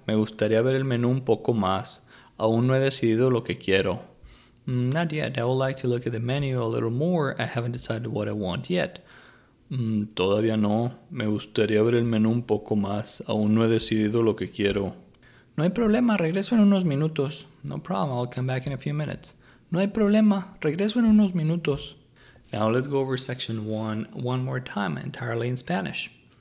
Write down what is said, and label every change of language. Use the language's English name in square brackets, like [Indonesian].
[Spanish] Me gustaría ver el menú un poco más. Aún no he decidido lo que quiero. [English] Not yet. I would like to look at the menu a little more. I haven't decided what I want yet. [Spanish] Todavía no. Me gustaría ver el menú un poco más. Aún no he decidido lo que quiero. No hay problema. Regreso en unos minutos. [English] No problem. I'll come back in a few minutes. [Spanish] No hay problema. Regreso en unos minutos. [English] Now let's go over section one more time, entirely in Spanish.